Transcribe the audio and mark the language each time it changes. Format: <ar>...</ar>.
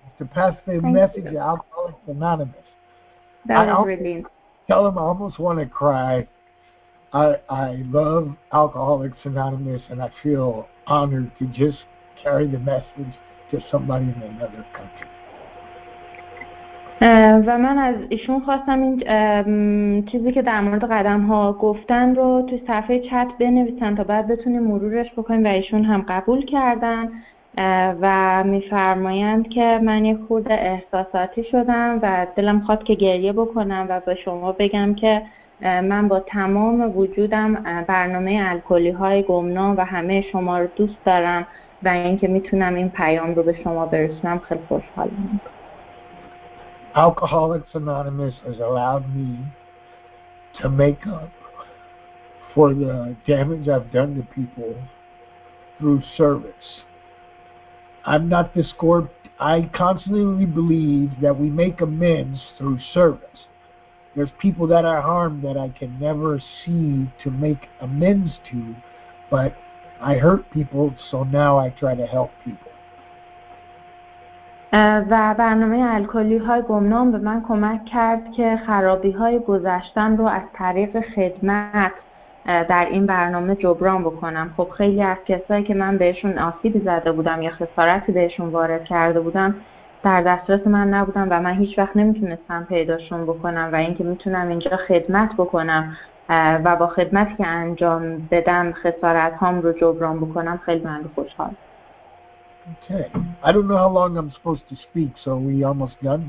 <en>To pass the Thank message to Alcoholics Anonymous. That is really tell them I almost want to cry. I love Alcoholics Anonymous, and I feel honored to just carry the message to somebody in another country.</en> <fa>و من از ایشون خواستم این چیزی که در مورد قدم ها گفتن رو تو صفحه چت بنویسن تا بعد بتونیم مرورش بکنیم و ایشون هم قبول کردن و میفرمایند که من یه خورده احساساتی شدم و دلم خواست که گریه بکنم و به شما بگم که من با تمام وجودم برنامه الکلی های گمنام و همه شما رو دوست دارم و اینکه میتونم این پیام رو به شما برسونم خیلی خوشحالم.</fa> <en>Alcoholics Anonymous has allowed me to make up for the damage I've done to people through service. I'm not the score. I constantly believe that we make amends through service. There's people that I harm that I can never see to make amends to, but I hurt people, so now I try to help people.</en> <fa>و برنامه الکلی های گمنام به من کمک کرد که خرابی های گذشتم رو از طریق خدمت در این برنامه جبران بکنم. خب خیلی از کسایی که من بهشون آسیبی زده بودم یا خسارتی بهشون وارد کرده بودم در دسترس من نبودم و من هیچ وقت نمیتونستم پیداشون بکنم و اینکه میتونم اینجا خدمت بکنم و با خدمتی که انجام بدم خسارت هام رو جبران بکنم خیلی من رو خوشحال.</fa> <en>Okay. I don't know how long I'm supposed to speak, so are we almost done?</en>